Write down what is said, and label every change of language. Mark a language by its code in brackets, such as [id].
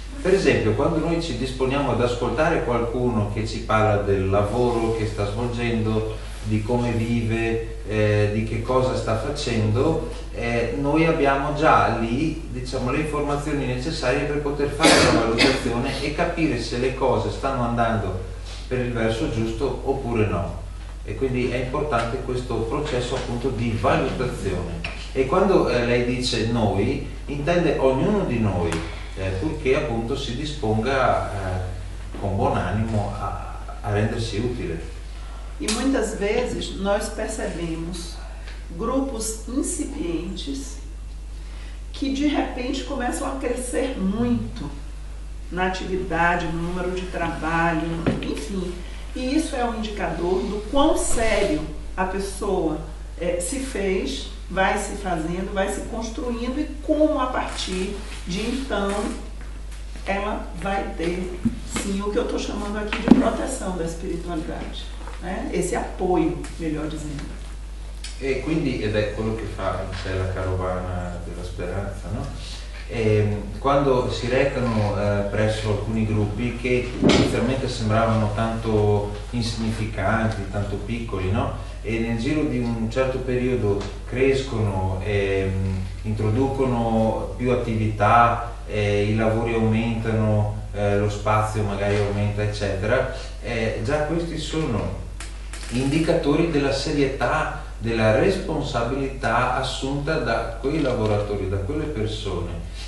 [it] Per esempio, quando noi ci disponiamo ad ascoltare qualcuno che ci parla del lavoro che sta svolgendo, di come vive, di che cosa sta facendo, noi abbiamo già lì, diciamo, le informazioni necessarie per poter fare la valutazione e capire se le cose stanno andando per il verso giusto oppure no. E quindi è importante questo processo appunto di valutazione. E quando lei dice noi, intende ognuno di noi, purché appunto si disponga con buon animo a rendersi utile. [pt] E muitas vezes nós percebemos grupos incipientes que de repente começam a crescer muito na atividade, no número de trabalho, enfim. E isso é um indicador do quão sério a pessoa se fez, vai se fazendo, vai se construindo e como a partir de então ela vai ter, sim, o que eu estou chamando aqui de proteção da espiritualidade. Esse apoio, melhor dizendo. [it] E quindi, ed è quello che fa c'è la carovana della speranza, no? E quando si recano presso alcuni gruppi che inizialmente sembravano tanto insignificanti, tanto piccoli, no? E nel giro di un certo periodo crescono, introducono più attività, i lavori aumentano, lo spazio magari aumenta, eccetera, già questi sono indicatori della serietà, della responsabilità assunta da quei lavoratori, da quelle persone.